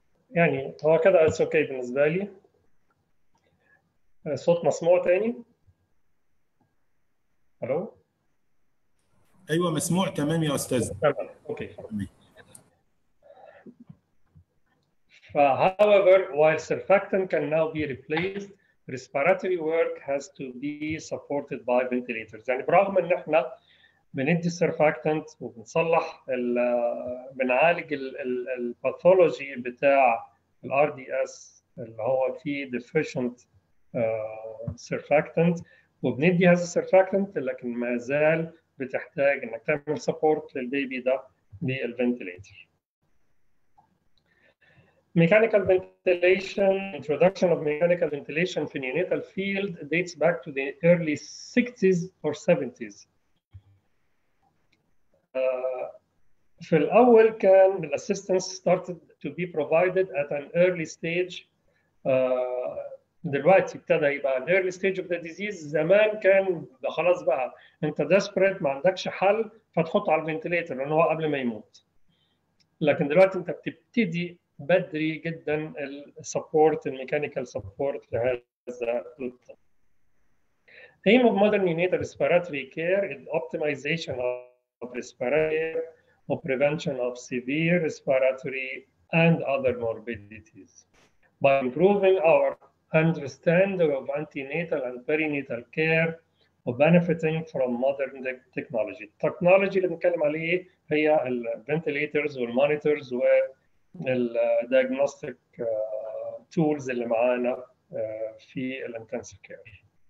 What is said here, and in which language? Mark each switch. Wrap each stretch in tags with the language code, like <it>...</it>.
<ar>يعني هو كده</ar> <en>it's okay</en> <ar>بالنسبة لي. صوت مسموع تاني؟ ألو؟ أيوة مسموع تمام يا أستاذ. تمام أوكي.</ar> <en>However, while surfactant can now be replaced, respiratory work has to be supported by ventilators.</en> <ar>يعني برغم إن إحنا بندي surfactant وبنصلح بنعالج الباثولوجي بتاع ال RDS اللي هو فيه deficient surfactant وبندي هذا surfactant لكن ما زال بتحتاج انك تعمل support للبيبي ده بالventilator.</ar> <en>Mechanical ventilation, introduction of mechanical ventilation في neonatal field dates back to the early 60s or 70s.</en> <ar>في الأول كان</ar> <en>the assistance started to be provided at an early stage.</en> <ar>دلوقتي ابتدى يبقى</ar> <en>an early stage of the disease.</en> <ar>زمان كان خلاص بقى انت desperate ما عندكش حل فتحط على الventilator لأنه هو قبل ما يموت. لكن دلوقتي انت بتبتدي بدري جدا ال support ال mechanical support لهذا الطفل.</ar> <en>Aim of modern neonatal respiratory care is optimization of respiratory care or prevention of severe respiratory and other morbidities. By improving our understanding of antenatal and perinatal care or benefiting from modern technology.</en> <ar>Technology اللي بنتكلم عليه هي الventilators والmonitors والdiagnostic التولز اللي معانا في الانتنسيف كير.</ar>